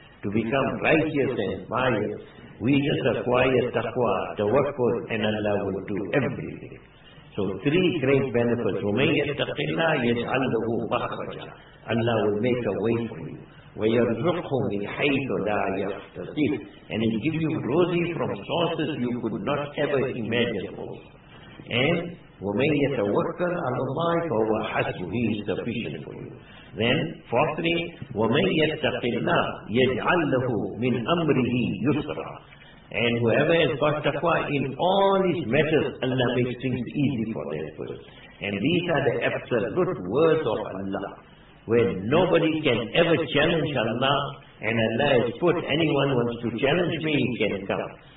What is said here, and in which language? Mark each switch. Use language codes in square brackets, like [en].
[en] To become righteous and pious, we just acquire taqwa, tawakkul, and Allah will do everything. So three great benefits. [ar] وَمَنْ يَتَّقِ اللَّهِ يَجْعَلْ لَهُ مَخْرَجًا. [en] Allah will make a way for you. [ar] وَيَرْزُقْهُ مِنْ حَيْثُ لَا يَخْتَصِفُ. [en] And it gives you rosy from sources you could not ever imagine before. And [ar] وَمَنْ يَتَوَكَّلْ عَلَى اللَّهِ فَهُوَ حَسْبُهُ. [en] He is sufficient for you. Then, fourthly, [ar] وَمَنْ يَتَّقِ اللَّهِ يَجْعَلْ لَهُ مِنْ أَمْرِهِ يُسْرًا. [en] And whoever has got taqwa in all his matters, Allah makes things easy for their purpose. And these are the absolute words of Allah, where nobody can ever challenge Allah, and Allah has put anyone wants to challenge me, he can come.